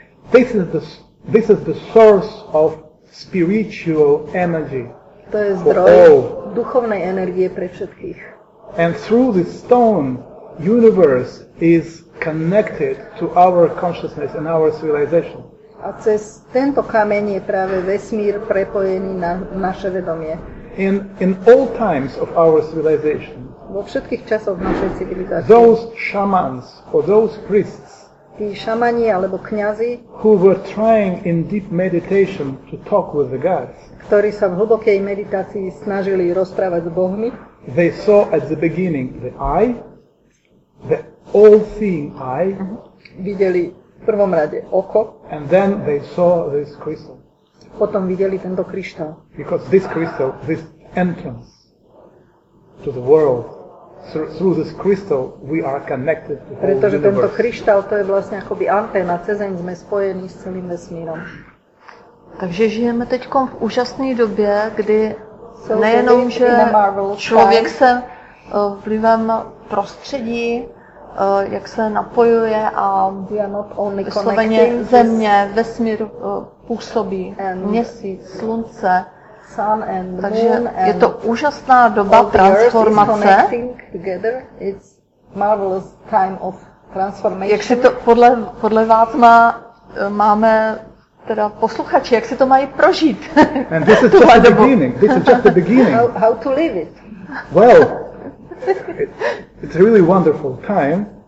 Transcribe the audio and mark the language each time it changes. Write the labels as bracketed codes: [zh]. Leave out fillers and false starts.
[en] This is the source of spiritual energy. [sk] To je zdroj duchovnej energie pre všetkých. [en] And through this stone, universe is connected to our consciousness and our civilization. [sk] A cez tento kameň je práve vesmír prepojený na naše vedomie. [en] In all times of our civilization. [sk] Vo všetkých časoch našej civilizácie. [en] Those shamans or those priests. [sk] Tí šamani alebo kňazi, [en] who were trying in deep meditation to talk with the gods, [sk] ktorí sa v hlbokej meditácii snažili rozprávať s bohmi, [en] they saw at the beginning the eye, the all-seeing eye, [sk] videli v prvom rade oko, [en] and then they saw this crystal. [sk] Potom videli tento kryštál. [en] Because this crystal, this entrance to the world, through this crystal we are connected to the universe. [sk] Pretože tento kryštál to je vlastne akoby anténa, cez ňu sme spojení s celým vesmírom. [cs] Takže žijeme teď v úžasné době, kdy nejenom, že člověk se vlivem prostředí, jak se napojuje a vysloveně země, vesmír působí, měsíc, slunce. [en] Sun and [cs] takže [en] moon and [cs] je to úžasná doba transformace. [en] It's marvelous time of transformation. [cs] Jak si to podle vás máme teda posluchači, jak si to mají prožít? [en] And this is just the beginning. This is just the beginning. How to live it? Well, it's a really wonderful time.